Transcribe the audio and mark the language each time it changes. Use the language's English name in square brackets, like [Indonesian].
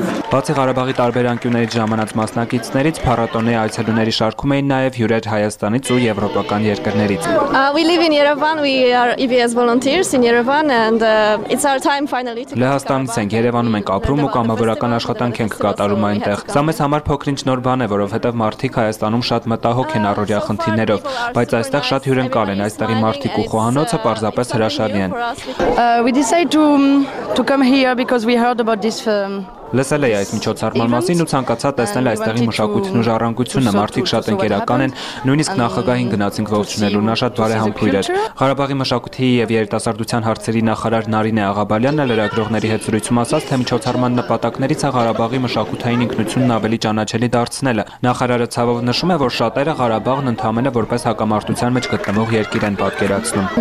[Armenian] Բացի Ղարաբաղի տարբեր անկյուններից ժամանած մասնակիցներից, փառատոնի այցելուների շարքում էին նաև հյուրեր Հայաստանից ու եվրոպական երկրներից։ [English] We live in Yerevan, we are EBS volunteers in Yerevan and it's our time finally to [Armenian] Լեհաստանից ենք, Երևանում ենք ապրում ու կամավորական աշխատանք ենք կատարում այնտեղ։ Սա մեզ համար փոքրինչ նոր բան է, որովհետև մարդիկ Հայաստանում շատ մտահոգ են առօրյա խնդիրներով, բայց այստեղ շատ հյուրընկալ են, այստեղի մարդիկ ու խոհանոցը պարզապես հրաշալի են։ [English] We decided to come here because we heard about this [Armenian] Լսել էի այդ միջոցառման մասին ու ցանկացա տեսնել այստեղի մշակույթն ու ժառանգությունը, մարդիկ շատ ընկերական են, նույնիսկ նախագահին գնացինք ողջունելու, նա շատ բարեհամբույր էր։ Ղարաբաղի մշակույթի և երիտասարդության հարցերի նախարար Նարինե Աղաբալյանը լրագրողների հետ զրույցում ասաց, թե միջոցառման նպատակներից է Ղարաբաղի մշակութային ինքնությունն ավելի ճանաչելի դարձնելը։ Նախարարը ցավով նշում է, որ շատերը Ղարաբաղն ընդհանրապես որպես հակամարտության մեջ գտնվող երկիր են պատկերացնում։